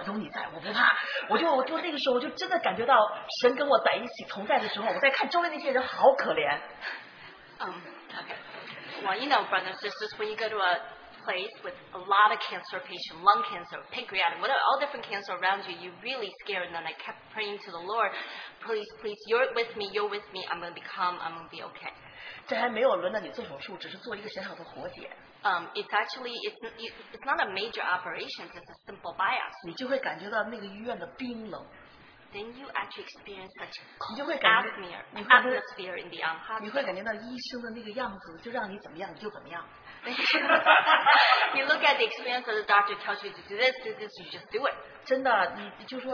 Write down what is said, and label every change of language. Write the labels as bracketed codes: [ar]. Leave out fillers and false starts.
[zh] 真的弟兄姊妹们，就是说你真的是有一种心情，到那个医院的时候，你到那个里边，你虽然不知道你自己是怎么样子的，但是你看到周围那些人都是那样的，都是最病人病的，哎呀，都是有肺癌的，有这个的，有那个的。你在那个环境当中的时候，你真的是哇，那时候我就拼命的祷告啊，我说主啊，我不管是什么，有你在，我不怕。我就那个时候就真的感觉到。神跟我在一起，同在的时候，我在看周围那些人，好可怜。Okay, [en] well, you know, brothers and sisters, when you go to a place with a lot of cancer patients, lung cancer, pancreatic, whatever, all different cancer around you, you're really scared. And then I kept praying to the Lord, please, please, you're with me, I'm going to be calm, I'm going to be okay. [zh] 这还没有轮到你做手术，只是做一个小小的活检。 [en] It's not a major operation, it's a simple biopsy. [zh] 你就会感觉到那个医院的冰冷。 [en] Then you actually experience such atmosphere in the hospital. [zh] 你会感觉到医生的那个样子，就让你怎么样你就怎么样。 [en] You look at the experience of the doctor tells you to do this, do this, you just do it.